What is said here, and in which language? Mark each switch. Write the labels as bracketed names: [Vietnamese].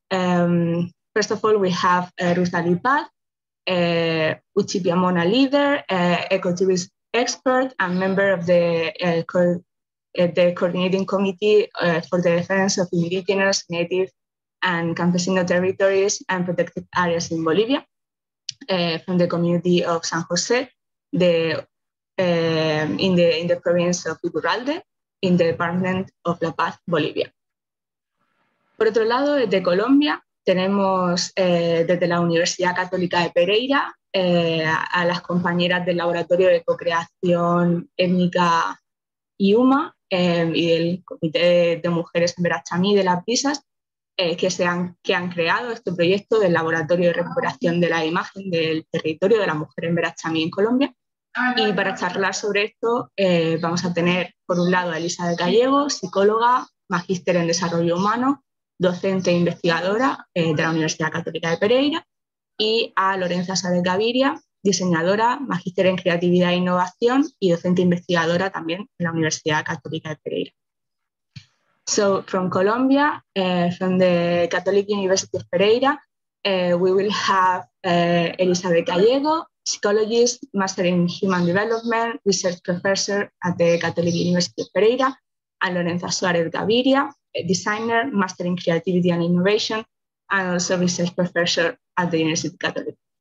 [English] First of all, we have Ruth Alipaz, Uchupiamona leader, ecotourism expert, and member of the the Coordinating Committee for the Defense of Indigenous, Native, and Campesino Territories and Protected Areas in Bolivia, from the community of San José, in the province of Iturralde, in the Department of La Paz, Bolivia. [Spanish] Por otro lado, desde Colombia, tenemos desde la Universidad Católica de Pereira a las compañeras del Laboratorio de Cocreación Étnica IUMA, y del Comité de Mujeres en Berachamí de las PISAS, que han creado este proyecto del Laboratorio de Recuperación de la Imagen del Territorio de la Mujer en Berachamí en Colombia. Y para charlar sobre esto, vamos a tener, por un lado, a Elizabeth Gallego, psicóloga, magíster en Desarrollo Humano, docente e investigadora de la Universidad Católica de Pereira, y a Lorenza Sáenz Gaviria, diseñadora, magíster en creatividad e innovación y docente investigadora también en la Universidad Católica de Pereira. [English] So, from Colombia, from the Catholic University of Pereira, we will have Elizabeth Gallego, psychologist, master in human development, research professor at the Catholic University of Pereira, and Lorenza Suárez Gaviria, designer, master in creativity and innovation, and also research professor at the University of Catholic.